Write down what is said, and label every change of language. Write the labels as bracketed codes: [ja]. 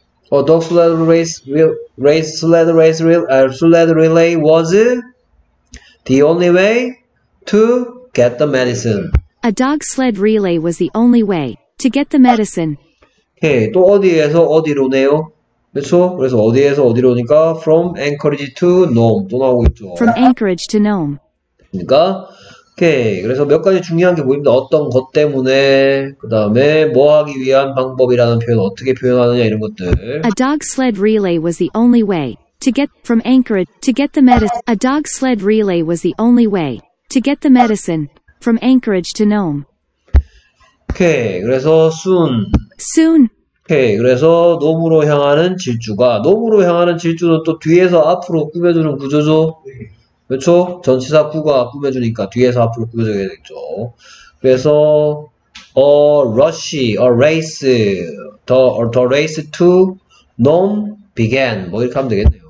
[en] Dog sled race sled race sled relay was the only way to get the medicine. A dog sled relay was the only way to get the medicine. [ko] 오케이, 또 어디에서 어디로네요. 그렇죠? 그래서 어디에서 어디로니까 [en] from Anchorage to Nome [ko] 또 나오고 있죠. [en] From Anchorage to Nome. [ko] 그러니까 오케이, 그래서 몇 가지 중요한 게 보입니다. 어떤 것 때문에, 그 다음에 뭐 하기 위한 방법이라는 표현 어떻게 표현하느냐 이런 것들. [en] A dog sled relay was the only way to get from Anchorage to get the medicine. A dog sled relay was the only way to get the medicine from Anchorage to Nome. [ko] 오케이, 그래서 soon. [en] Soon. [ko] 오케이, 그래서 놈으로 향하는 질주가, 놈으로 향하는 질주는 또 뒤에서 앞으로 꾸며주는 구조죠. 그렇죠? 전치사 구가 꾸며주니까 뒤에서 앞으로 꾸며줘야 되겠죠. 그래서 [en] a rush, a race, the race to Nome began [ko] 뭐 이렇게 하면 되겠네요.